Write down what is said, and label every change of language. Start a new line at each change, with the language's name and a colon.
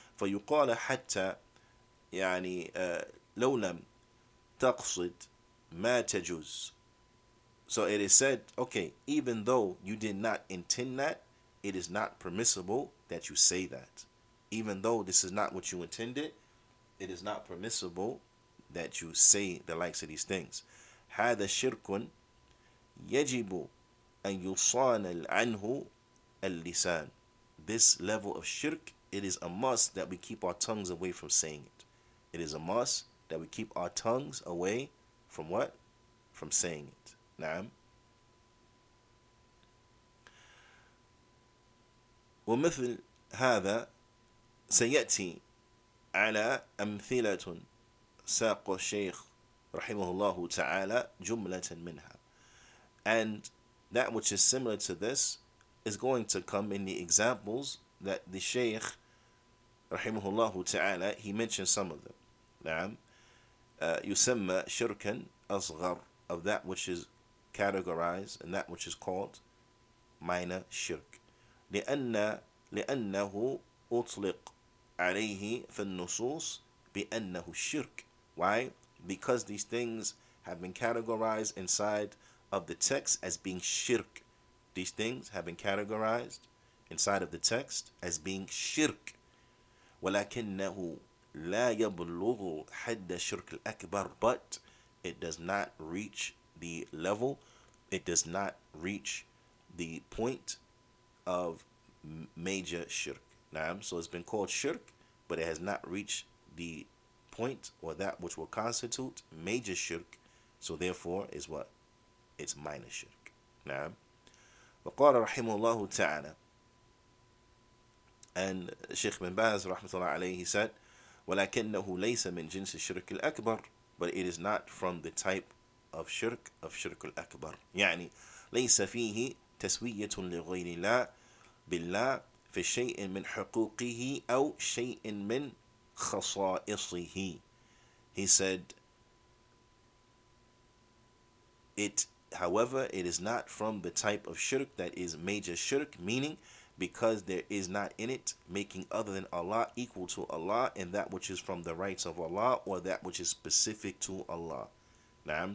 Arabic: فَيُقَالَ حَتَّى يعني لَوْ لَمْ تَقْصِدْ مَا تَجُزْ.
English: So it is said, okay, even though you did not intend that, it is not permissible that you say that. Even though this is not what you intended, it is not permissible that you say the likes of these things.
Arabic: هذا شرك يجب أن يصان عنه اللسان.
English: This level of shirk, it is a must that we keep our tongues away from saying it. It is a must that we keep our tongues away from what? From saying it. نعم.
Arabic: ومثل هذا سيأتي على أمثلة ساق الشيخ رحمه الله تعالى جملة منها.
English: And that which is similar to this is going to come in the examples that the Shaykh رحمه الله تعالى, he mentioned some of them.
Arabic: نعم. يسمى شركا أصغر,
English: of that which is categorized and that which is called minor shirk.
Arabic: لأنه أطلق عليه في النصوص بأنه شرك.
English: Why? Because these things have been categorized inside of the text as being shirk. These things have been categorized inside of the text as being shirk.
Arabic: ولكنه لا يبلغ حد الشرك الأكبر.
English: But it does not reach the level, it does not reach the point of major shirk. Naam. So it's been called shirk, but it has not reached the point or that which will constitute major shirk. So therefore, is what? It's minor shirk. Naam.
Arabic: وقال رحمه الله تعالى.
English: And Sheikh bin Baz
Arabic: رحمه الله عليه,
English: he said,
Arabic: ولكنه ليس من جنس الشرك الأكبر.
English: But it is not from the type of shirk, of shirk al-akbar.
Arabic: يعني ليس فيه تسوية لغير الله بالله في شيء من حقوقه أو شيء من خصائصه.
English: He said, however, it is not from the type of shirk that is major shirk, meaning because there is not in it making other than Allah equal to Allah and that which is from the rights of Allah or that which is specific to Allah. Naam.